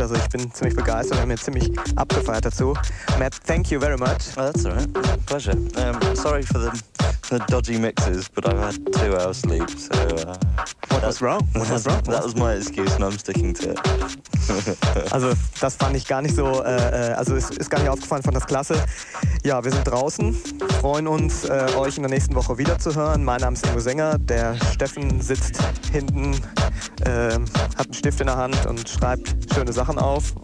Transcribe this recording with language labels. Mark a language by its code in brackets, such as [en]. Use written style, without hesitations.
[de] Also ich bin ziemlich begeistert und habe mir ziemlich abgefeiert dazu. [en] Matt, thank you very much. Well, that's all right. Pleasure. Sorry for the dodgy mixes, but I've had 2 hours sleep, so... What was wrong? That was my excuse and I'm sticking to it. [de] Also das fand ich gar nicht so, also ist gar nicht aufgefallen, fand das klasse. Ja, wir sind draußen, freuen uns, euch in der nächsten Woche wieder zu hören. Mein Name ist Ingo Sänger, der Steffen sitzt hinten, hat einen Stift in der Hand und schreibt schöne Sachen auf.